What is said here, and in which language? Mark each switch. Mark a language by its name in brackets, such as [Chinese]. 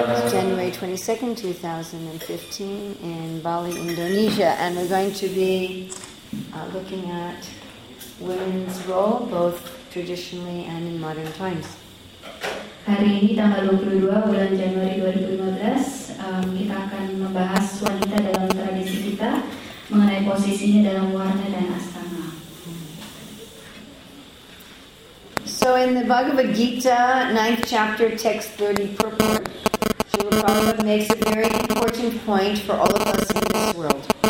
[English] January 22nd, 2015 in Bali, Indonesia, and we're going to be looking at women's role, both traditionally and in modern times. [Indonesian] Hari ini tanggal 22 bulan Januari 2015, kita akan membahas wanita dalam tradisi kita mengenai posisinya dalam warna dan astana. [English] So in the Bhagavad Gita, 9th chapter, text 30, purport, Srila Prabhupada makes a very important point for all of us in this world.